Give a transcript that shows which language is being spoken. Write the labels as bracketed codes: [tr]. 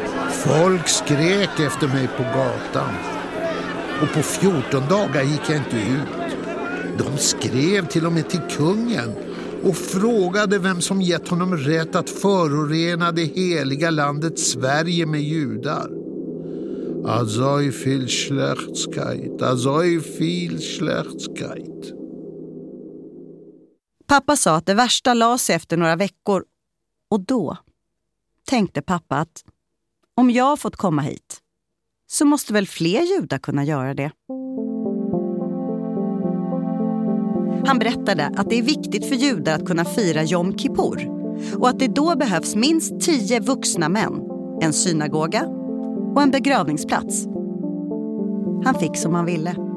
[sv] Folk skrek efter mig på gatan. Och på 14 dagar gick jag inte ut. De skrev till och med till kungen och frågade vem som gett honom rätt att förorena det heliga landet Sverige med judar. [yi] Azoi viel Schlechtigkeit, azoi viel Schlechtigkeit. [sv] Pappa sa att det värsta la sig efter några veckor. Och då tänkte pappa att om jag fått komma hit så måste väl fler judar kunna göra det. Han berättade att det är viktigt för judar att kunna fira Yom Kippur och att det då behövs minst 10 vuxna män, en synagoga och en begravningsplats. Han fick som han ville.